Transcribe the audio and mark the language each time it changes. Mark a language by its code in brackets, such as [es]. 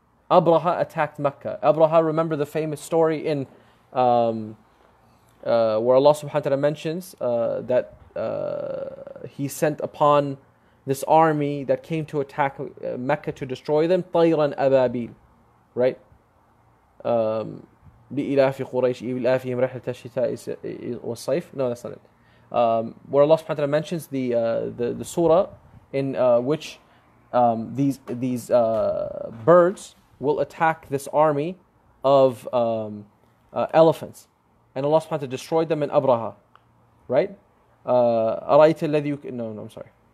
[en] Abraha, remember the famous story in where Allah subhanahu wa ta'ala mentions that he sent upon this army that came to attack Mecca to destroy them, Tayran Ababil, right? [ar] لِإِلَافِ قُرَيْشِ إِلَافِهِمْ رَحْلَةَ الشِّتَاءِ وَالصَّيْفِ. [en] No, that's not it. Where Allah subhanahu wa ta'ala mentions the surah in which these birds will attack this army of elephants. And Allah subhanahu wa ta'ala destroyed them in Abraha. Right? [ar] أَرَيْتَ الَّذِي يُكِنُ. [en] No, I'm sorry.